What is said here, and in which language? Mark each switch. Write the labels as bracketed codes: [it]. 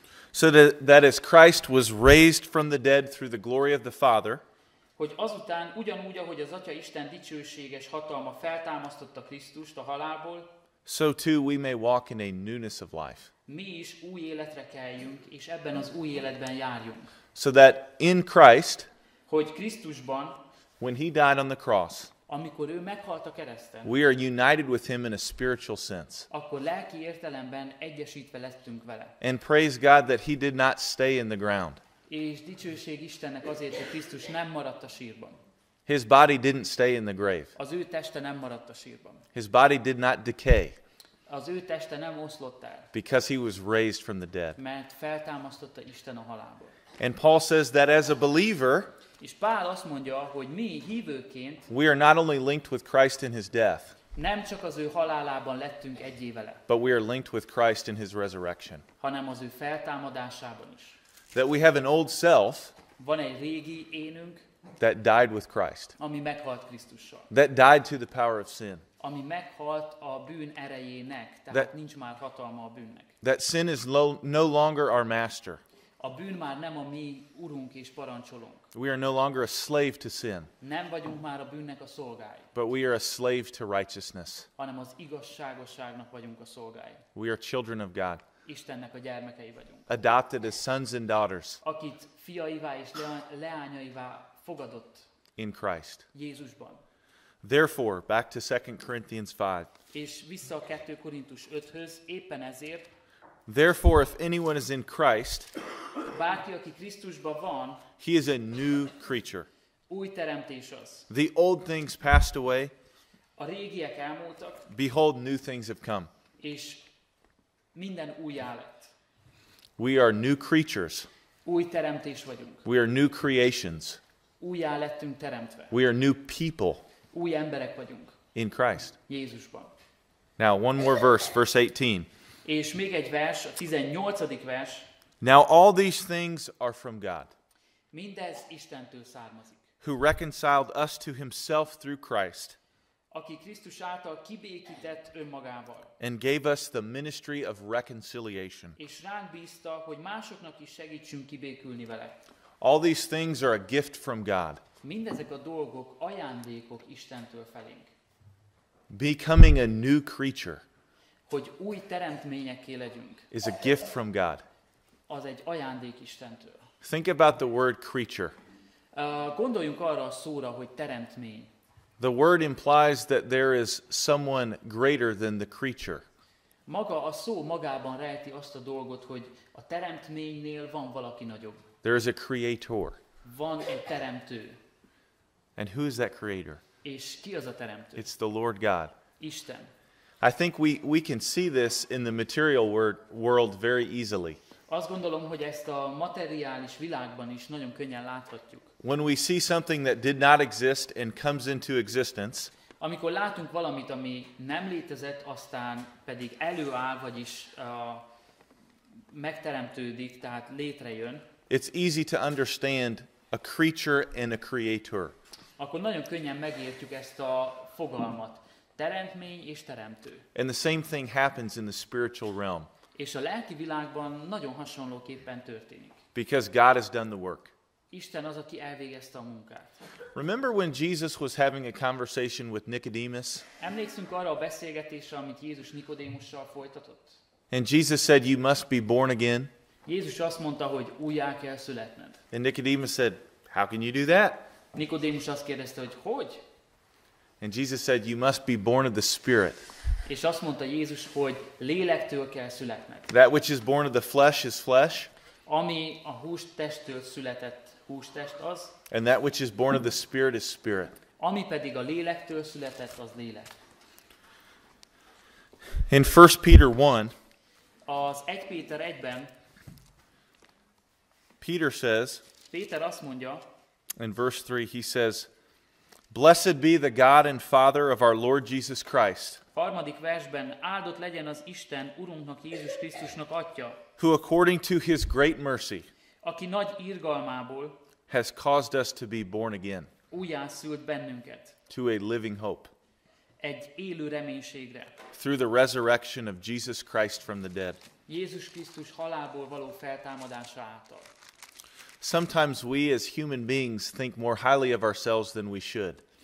[en] So that as Christ was raised from the dead through the glory of the Father, [hu] hogy azután ugyanúgy, ahogy az Atya Isten dicsőséges hatalma feltámasztotta Krisztust a halálból, [en] so too we may walk in a newness of life. [hu] Mi is új életre keljünk, és ebben az új életben járjunk. [en] So that in Christ, [hu] hogy Krisztusban, [en] when he died on the cross, [hu] amikor ő meghalt a kereszten, [en] we are united with him in a spiritual sense. [hu] Akkor lelki értelemben egyesítve lettünk vele. [en] And praise God that he did not stay in the ground. [hu] És dicsőség Istennek azért, hogy Krisztus nem maradt a sírban. [en] His body didn't stay in the grave. [hu] Az ő teste nem maradt a sírban. [en] His body did not decay. [hu] Az ő teste nem oszlott el. [en] Because he was raised from the dead. [hu] Mert feltámasztotta Isten a halálból. [en] And Paul says that as a believer, [hu] és Pál azt mondja, hogy mi hívőként, [en] we are not only linked with Christ in his death, [hu] nem csak az ő halálában lettünk egyé vele, [en] but we are linked with Christ in his resurrection, [hu] hanem az ő feltámadásában is. [en] That we have an old self, [hu] van egy régi énünk, [en] that died with Christ, [hu] ami meghalt Krisztussal, [en] that died to the power of sin, [hu] ami meghalt a bűn erejének, tehát [en] that, [hu] nincs már hatalma a bűnnek. [en] That sin is no longer our master. [hu] A bűn már nem a mi urunk és parancsolunk. [en] We are no longer a slave to sin. [hu] Nem vagyunk már a bűnnek a szolgái. [en] But we are a slave to righteousness. [hu] Hanem az igazságosságnak vagyunk a szolgái. [en] We are children of God. [hu] Istennek a gyermekei vagyunk. [en] Adopted as sons and daughters. [hu] Akit fiaivá és leányaivá fogadott. [en] In Christ. [hu] Jézusban. [en] Therefore, back to 2 Corinthians 5. [hu] És vissza a 2 Korintus 5-höz, éppen ezért. [en] Therefore, if anyone is in Christ, [hu] bárki, aki Krisztusban van, [en] he is a new creature. [hu] Új teremtés az. [en] The old things passed away. [hu] A régiek elmúltak. [en] Behold, new things have come. [hu] És minden újjá lett. [en] We are new creatures. [hu] Új teremtés vagyunk. [en] We are new creations. [hu] Újjá lettünk teremtve. [en] We are new people. [hu] Új emberek vagyunk. [en] In Christ. [hu] Jézusban. [en] Now, one more verse, verse 18. [hu] És még egy vers, a 18. vers. [en] Now all these things are from God. [hu] Mindez Istentől származik. [en] Who reconciled us to himself through Christ. [hu] Aki Krisztus által kibékített önmagával. [en] And gave us the ministry of reconciliation. [hu] És ránk bízta, hogy másoknak is segítsünk kibékülni vele. [en] All these things are a gift from God. [hu] Mindezek a dolgok ajándékok Istentől felénk. [en] Becoming a new creature, [hu] hogy új teremtményekké legyünk, [en] is a gift from God. [hu] Az egy ajándék Istentől. [en] Think about the word creature. [hu] Gondoljunk arra a szóra, hogy teremtmény. [en] The word implies that there is someone greater than the creature. [hu] Maga a szó magában rejti azt a dolgot, hogy a teremtménynél van valaki nagyobb. [en] There is a creator. [hu] Van egy teremtő. [en] And who is that creator? [hu] És ki az a teremtő? [en] It's the Lord God. [hu] Isten. [en] I think we can see this in the material world very easily. [hu] Azt gondolom, hogy ezt a materiális világban is nagyon könnyen láthatjuk. [en] When we see something that did not exist and comes into existence, [hu] amikor látunk valamit, ami nem létezett, aztán pedig előáll, vagyis megteremtődik, tehát létrejön. [en] It's easy to understand a creature and a creator. [hu] akkor nagyon könnyen megértjük ezt a fogalmat. Teremtmény és teremtő. [en] And the same thing happens in the spiritual realm. [hu] És a lelki világban nagyon hasonlóképpen történik. [en] Because God has done the work. [hu] Isten az, aki elvégezte a munkát. [en] Remember when Jesus was having a conversation with Nicodemus? [hu] Emlékszünk arra a beszélgetésre, amit Jézus Nikodémussal folytatott? [en] And Jesus said, you must be born again. [hu] Jézus azt mondta, hogy újjá kell születned. [en] And Nicodemus said, how can you do that? [hu] Nikodémus azt kérdezte, hogy hogy? [en] And Jesus said, you must be born of the Spirit. [hu] És azt mondta Jézus, hogy lélektől kell születned. [en] That which is born of the flesh is flesh. [hu] Ami a hústestől született hústest az. [en] And that which is born of the Spirit is Spirit. [hu] Ami pedig a lélektől született az lélek. [en] In 1 Peter 1, [hu] az 1 Péter 1-ben [en] Peter says, [hu] Péter azt mondja, [en] in verse 3 he says, blessed be the God and Father of our Lord Jesus Christ. [hu] Harmadik versben áldott legyen az Isten Urunknak Jézus Krisztusnak atya, [en] who according to his great mercy, [hu] aki nagy irgalmából, [en] has caused us to be born again, [hu] újjászült bennünket, [en] to a living hope, [hu] egy élő reménységre, [en] through the resurrection of Jesus Christ from the dead. [hu] Jézus Krisztus halálból való feltámadása által. [en] Sometimes we as human beings think more highly of ourselves than we should.